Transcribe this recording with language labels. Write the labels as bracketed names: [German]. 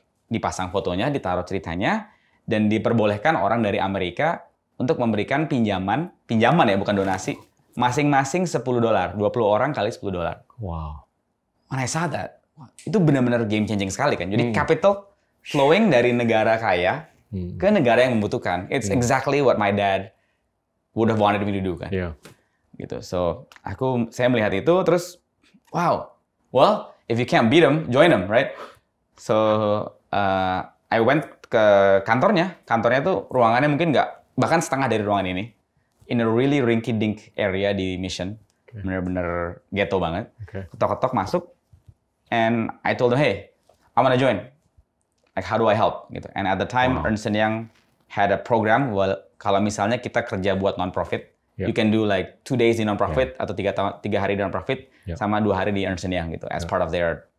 [Indonesian] Dipasang fotonya, ditaruh ceritanya, dan diperbolehkan orang dari Amerika untuk memberikan pinjaman ya, bukan donasi, masing-masing $10, 20 orang kali $10. Wow. [English] When I saw that, [Indonesian] itu benar-benar [English] game changing sekali kan. [Indonesian] Jadi [English] capital flowing [Indonesian] dari negara kaya ke negara yang membutuhkan. [English] It's exactly what my dad would have wanted me to do kan. Yeah. Gitu. So, [Indonesian] saya melihat itu terus, [English] wow, well, if you can't beat them, join them, right? So, I went [Indonesian] ke kantornya. Kantornya tuh ruangannya mungkin nggak, bahkan setengah dari ruangan ini. [English] In a really rinky-dink area di Mission. [Indonesian] Okay. Bener-bener ghetto banget. Okay. Ketok-ketok masuk. [English] And I told them, hey, I wanna join. Like, how do I help? Gitu. And at the time, Ernst & Young had a program. [Indonesian] Well, kalau misalnya kita kerja buat non-profit, [English] you can do like 2 days [Indonesian] di non-profit atau 3 hari di non-profit sama 2 hari di Ernst & Young gitu [English] as part of their